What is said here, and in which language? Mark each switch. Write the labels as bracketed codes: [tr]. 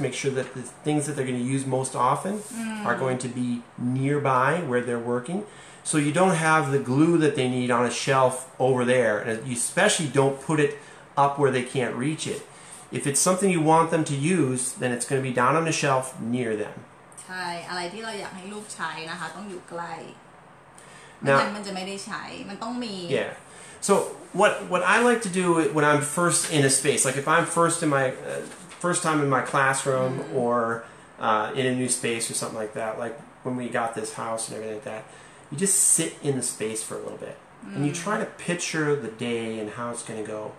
[en] Make sure that the things that they're going to use most often are going to be nearby where they're working. So you don't have the glue that they need on a shelf over there. And you especially don't put it up where they can't reach it. If it's something you want them to use, then it's going to be down on a shelf near them. [th] ใช่อะไรที่เราอยากให้ลูกใช้นะคะต้องอยู่ใกล้ Now, มันจะไม่ได้ใช้มันต้องมี [en] Yeah. So what I like to do when I'm first in a space, like if I'm first time in my classroom or in a new space or something like that, like when we got this house and everything like that, you just sit in the space for a little bit. And you try to picture the day and how it's going to go.